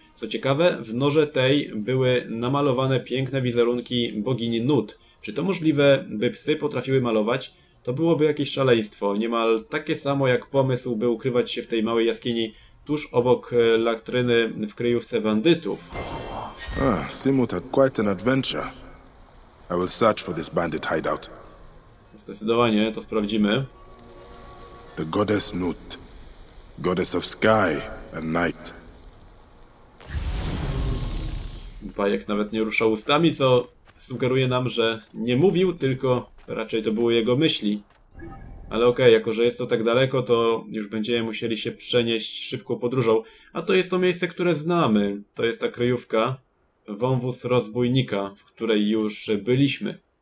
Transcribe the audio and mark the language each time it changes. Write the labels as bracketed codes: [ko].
[pl] Co ciekawe, w norze tej były namalowane piękne wizerunki bogini Nut. Czy to możliwe, by psy potrafiły malować? to byłoby jakieś szaleństwo. Niemal takie samo jak pomysł, by ukrywać się w tej małej jaskini tuż obok latryny w kryjówce bandytów. [en] Ah, Simut had quite an adventure. I will search for this bandit hideout. [pl] Zdecydowanie, to sprawdzimy. [en] The goddess Nut, goddess of sky and night. [pl] Bajek nawet nie ruszał ustami, co sugeruje nam, że nie mówił, tylko raczej to były jego myśli. Ale okej, jako że jest to tak daleko, to już będziemy musieli się przenieść szybko podróżą. A to jest to miejsce, które znamy. To jest ta kryjówka, wąwóz rozbójnika, w której już byliśmy.